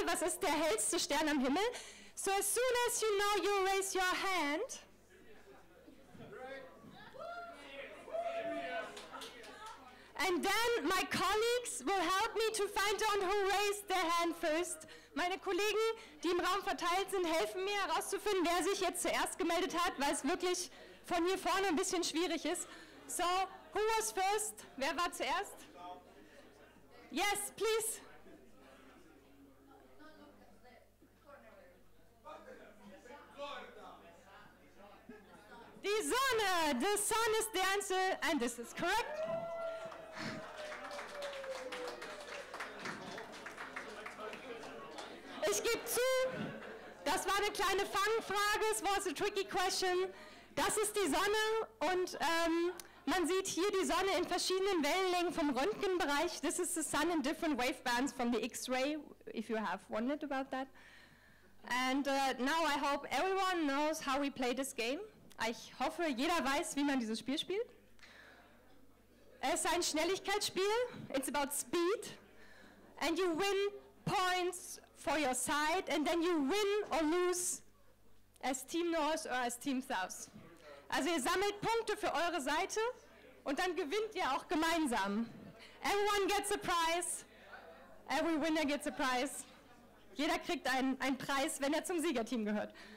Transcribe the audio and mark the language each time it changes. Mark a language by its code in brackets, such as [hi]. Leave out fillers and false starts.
[de] Was ist der hellste Stern am Himmel? [en] So as soon as you know, you raise your hand. And then my colleagues will help me to find out who raised their hand first. [de] Meine Kollegen, die im Raum verteilt sind, helfen mir herauszufinden, wer sich jetzt zuerst gemeldet hat, weil es wirklich von hier vorne ein bisschen schwierig ist. [en] So, who was first? [de] Wer war zuerst? [en] Yes, please. The sun. The sun is the answer, and this is correct. [de] Ich gebe zu, das war eine kleine Fangfrage. [en] It was a tricky question. [de] Das ist die Sonne und man sieht hier die Sonne in verschiedenen Wellenlängen vom Röntgenbereich. [en] This is the sun in different wave bands from the X-ray, if you have wondered about that. And now I hope everyone knows how we play this game. [de] Ich hoffe, jeder weiß, wie man dieses Spiel spielt. Es ist ein Schnelligkeitsspiel. [en] It's about speed. And you win points for your side and then you win or lose as Team North or as Team South. [de] Also ihr sammelt Punkte für eure Seite und dann gewinnt ihr auch gemeinsam. [en] Everyone gets a prize. Every winner gets a prize. [de] Jeder kriegt einen Preis, wenn er zum Siegerteam gehört.